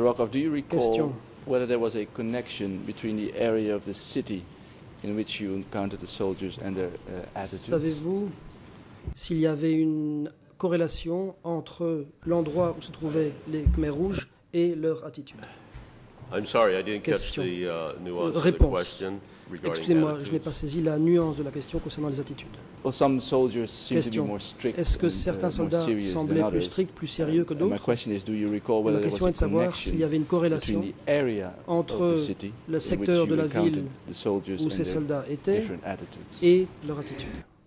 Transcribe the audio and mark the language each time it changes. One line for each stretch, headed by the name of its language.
English: Rockoff, do you recall whether there was a connection between the area of the city in which you encountered the soldiers and their attitudes?
French: Savez-vous s'il y avait une corrélation entre l'endroit où se trouvaient les Khmer Rouges et leur attitude?
English: I'm sorry, I didn't catch the nuance of the question regarding attitudes.
French: Excusez-moi, je n'ai pas saisi la nuance de la question concernant les attitudes.
English: Well, some soldiers seem to be more strict.
French: Est-ce que certains soldats semblaient plus stricts, plus sérieux que d'autres?
English: My question is, do you recall whether there was a connection between the area of the city and which you encountered the soldiers and their
French: Entre le secteur de la ville où ces soldats étaient et leur attitude.